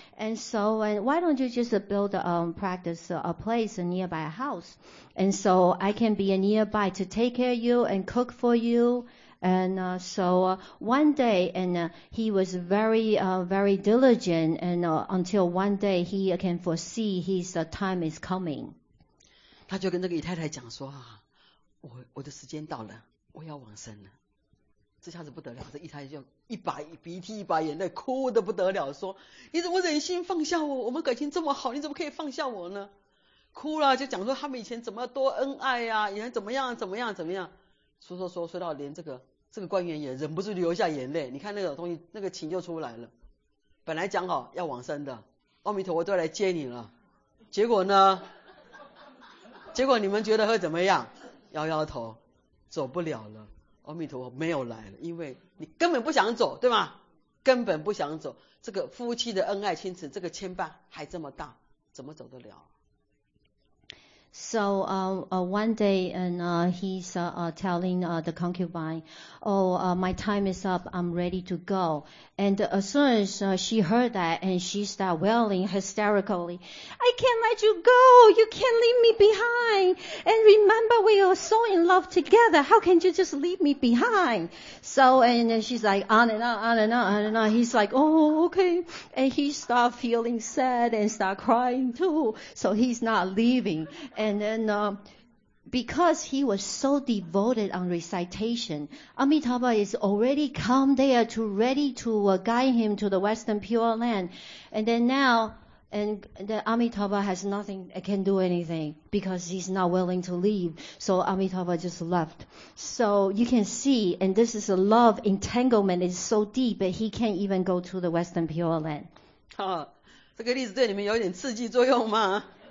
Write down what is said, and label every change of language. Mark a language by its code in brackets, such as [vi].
[en] And so, and why don't you just build practice a place nearby a house? And so I can be nearby to take care of you and cook for you. And one day, and he was very very diligent, and until one day he can foresee his time is coming. [zh] 他就跟那个姨太太讲说啊，我的时间到了，我要往生了。这下子不得了，这姨太太就一把鼻涕一把眼泪，哭得不得了，说你怎么忍心放下我？我们感情这么好，你怎么可以放下我呢？哭了就讲说他们以前怎么多恩爱啊，以前怎么样。说到连这个官员也忍不住流下眼泪，你看那个东西，那个情就出来了。本来讲好要往生的，阿弥陀佛都来接你了，结果呢？结果你们觉得会怎么样？摇摇头，走不了了，阿弥陀佛没有来了，因为你根本不想走，对吗？根本不想走，这个夫妻的恩爱亲子，这个牵绊还这么大，怎么走得了？ [en] So, one day, and, he's, telling, the concubine, "Oh, my time is up. I'm ready to go." And as soon as she heard that, and she started wailing hysterically, "I can't let you go. You can't leave me behind. And remember, we are so in love together. How can you just leave me behind?" So, and then she's like, on and on. He's like, "Oh, okay." And he started feeling sad and started crying too. So he's not leaving. And then, because he was so devoted on recitation, Amitabha is already come there to ready to guide him to the Western Pure Land. And then now, and the Amitabha has nothing, can do anything because he's not willing to leave. So Amitabha just left. So you can see, and this is a love entanglement is so deep that he can't even go to the Western Pure Land. [zh] 这个例子对你们有点刺激作用吗？